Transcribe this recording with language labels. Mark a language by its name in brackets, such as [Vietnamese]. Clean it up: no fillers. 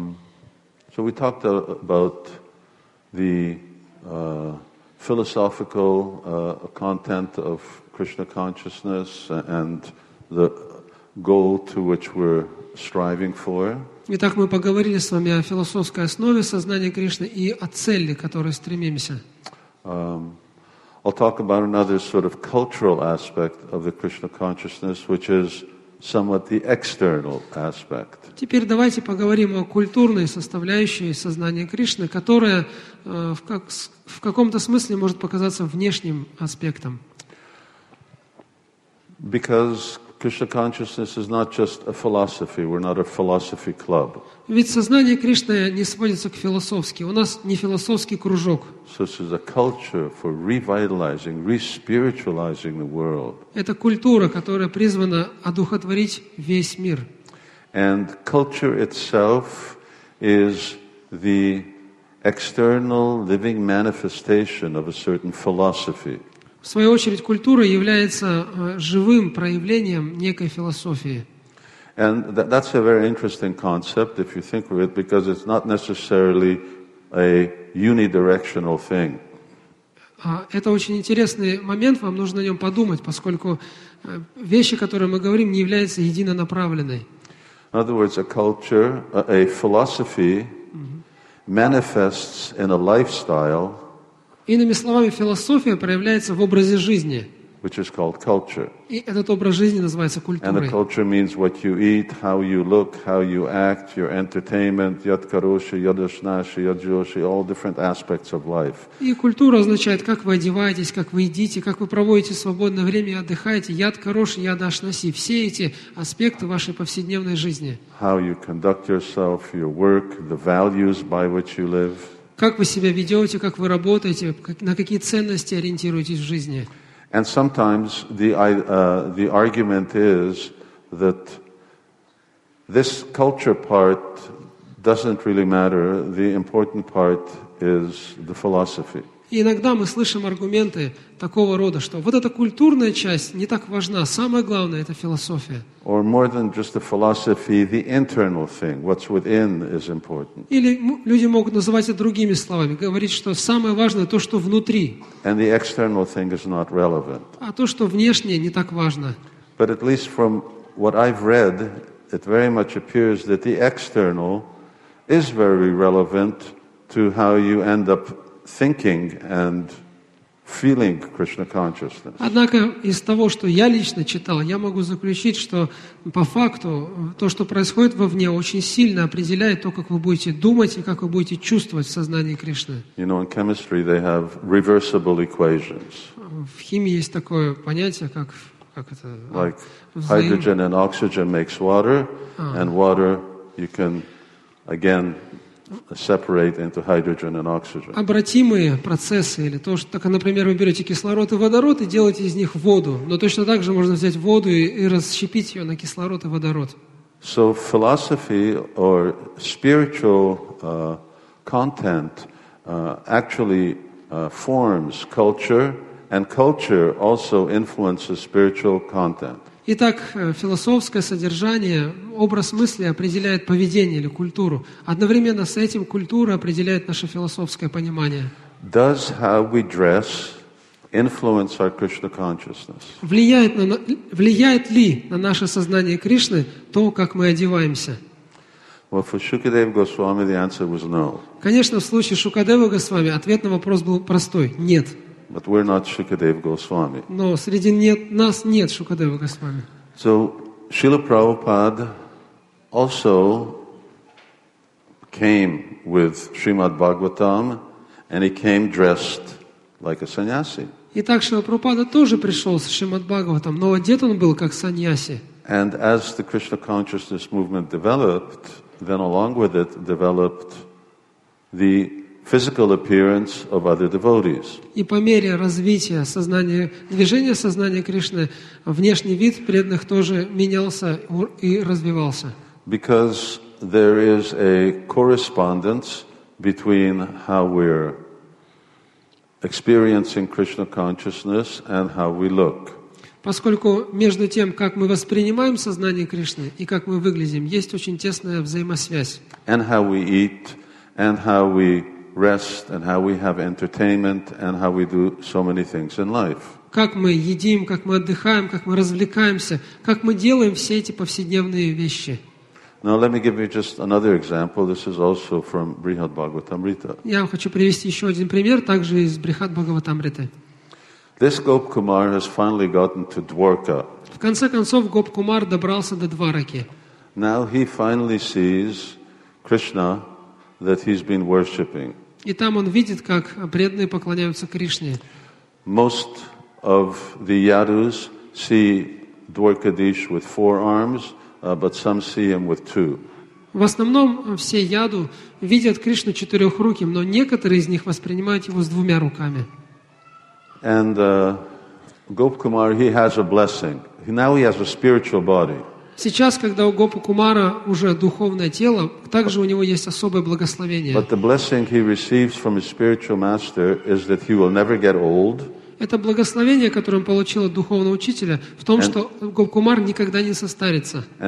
[English] 45, yeah. So we talked about the philosophical content of Krishna consciousness and the goal to which we're striving for. [Russian] Итак, мы поговорили с вами о философской основе сознания Кришны и о цели, к которой стремимся. [English] I'll talk about another sort of cultural aspect of the Krishna consciousness, which is somewhat the external aspect. [Russian] Теперь давайте поговорим о культурной составляющей сознания Кришны, которая в каком-то смысле может показаться внешним аспектом. [English] Because Krishna consciousness is not just a philosophy. We're not a philosophy club. [Russian] Ведь сознание Кришны не сводится к философски. У нас не философский кружок. [English] So this is a culture for revitalizing, re-spiritualizing the world. [Russian] Это культура, которая призвана одухотворить весь мир. [English] And culture itself is the external living manifestation of a certain philosophy. [Russian] В свою очередь, культура является живым проявлением некой философии. [English] And that's a very interesting concept, if you think of it, because it's not necessarily a unidirectional thing. [Russian] Это очень интересный момент, вам нужно о нем подумать, поскольку вещи, которые мы говорим, не являются единонаправленной. [English] In other words, a culture, a philosophy manifests in a lifestyle. [Russian] Иными словами, философия проявляется в образе жизни. [English] Which is called culture. [Russian] И этот образ жизни называется культурой. [English] And the culture means what you eat, how you look, how you act, your entertainment, [Sanskrit] yad karoshi, yad ashnashi, yad joshi, [English] all different aspects of life. [Russian] И культура означает, как вы одеваетесь, как вы едите, как вы проводите свободное время и отдыхаете, [Sanskrit] yad karoshi, yad ashnashi, [Russian] все эти аспекты вашей повседневной жизни. [English] How you conduct yourself, your work, the values by which you live. [Russian] Как вы себя ведете, как вы работаете, на какие ценности ориентируетесь в жизни? [English] And sometimes the argument is that this culture part doesn't really matter. The important part is the philosophy. [Russian] И иногда мы слышим аргументы такого рода, что вот эта культурная часть не так важна, самое главное – это философия. [English] Or more than just the philosophy, the internal thing, what's within is important. [Russian] Или люди могут называть это другими словами, говорить, что самое важное – то, что внутри. [English] And the external thing is not relevant. [Russian] А то, что внешнее, не так важно. [English] But at least from what I've read, it very much appears that the external is very relevant to how you end up thinking and feeling Krishna consciousness. [Russian] Однако из того, что я лично читал, я могу заключить, что по факту то, что происходит вовне, очень сильно определяет то, как вы будете думать и как вы будете чувствовать в сознании Кришны. [English] You know, in chemistry they have reversible equations. [Russian] В химии есть такое понятие, как это. [English] Like hydrogen and oxygen makes water, and water you can again separate into hydrogen and oxygen. [Russian] Обратимые процессы или то, что, так, например, вы берете кислород и водород и делаете из них воду, но точно так же можно взять воду и расщепить ее на кислород и водород. [English] So philosophy or spiritual content actually forms culture, and culture also influences spiritual content. [Russian] Итак, философское содержание, образ мысли определяет поведение или культуру. Одновременно с этим культура определяет наше философское понимание. [English] Does how we dress influence our Krishna consciousness? [Russian] Влияет ли на наше сознание Кришны то, как мы одеваемся? [English] Well, for Shukadev Goswami, the answer was no. [Russian] Конечно, в случае Шукадева Госвами ответ на вопрос был простой – нет. [English] But we're not Shukadev Goswami. [Russian] Но среди нас нет Шукадева Госвами. [English] So Srila Prabhupada also came with Srimad Bhagavatam, and he came dressed like a sannyasi. [Russian] Итак, Шрила Прабхупада тоже пришел с Шримад Бхагаватам, но одет он был как саньяси. [English] And as the Krishna consciousness movement developed, then along with it developed the physical appearance of other devotees. [Russian] И по мере развития сознания, движения сознания Кришны, внешний вид преданных тоже менялся и развивался. [English] Because there is a correspondence between how we're experiencing Krishna consciousness and how we look. [Russian] Поскольку между тем, как мы воспринимаем сознание Кришны и как мы выглядим, есть очень тесная взаимосвязь. [English] And how we eat, and how we rest, and how we have entertainment, and how we do so many things in life. [Russian] Как мы едим, как мы отдыхаем, как мы развлекаемся, как мы делаем все эти повседневные вещи. [English] Now let me give you just another example. This is also from Brihad Bhagavatamrita. [Russian] Я вам хочу привести еще один пример, также из Брихад Бхагаватамриты. [English] This Gop Kumar has finally gotten to Dwarka. [Russian] В конце концов, Гоп Кумар добрался до Двараки. [English] Now he finally sees Krishna that he's been worshipping. [Russian] И там он видит, как преданные поклоняются Кришне. [English] Most of the Yadus see Dwarkadish with four arms. But some see him with two. [Russian] В основном все яду видят Кришну четырехруким, но некоторые из них воспринимают его с двумя руками. [English] And Gop Kumar, he has a blessing. Now he has a spiritual body. [Russian] Сейчас, когда у Гопа Кумара уже духовное тело, также у него есть особое благословение. [English] But the blessing he receives from his spiritual master is that he will never get old. [Russian] Это благословение, которое он получил от духовного учителя, в том, что Гоп Кумар никогда не состарится.